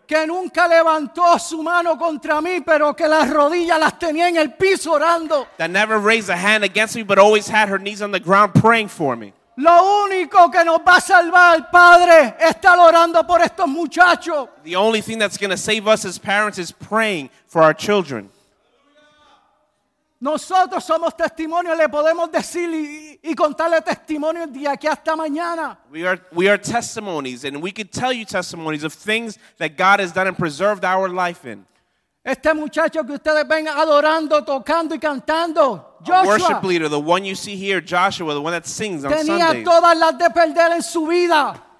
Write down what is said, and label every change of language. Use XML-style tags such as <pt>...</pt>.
<es>Que nunca levantó su mano contra mí, pero que las rodillas las tenía en el piso orando.</es> <en>That never raised a hand against me, but always had her knees on the ground praying for me.</en> <es>Lo único que nos va a salvar, Padre, está orando por estos muchachos.</es> <en>The only thing that's going to save us as parents is praying for our children.</en> <es>Nosotros somos testimonios, le podemos decir y contarle testimonios de aquí hasta mañana.</es> <en>We are testimonies, and we can tell you testimonies of things that God has done and preserved our life in.</en> <es>Este muchacho que ustedes ven adorando, tocando y cantando,</es> <en>Joshua. A worship leader, the one you see here, Joshua, the one that sings on</en> <es>tenía</es> <en>Sundays.</en> <es>Tenía todas las de perder en su vida.</es>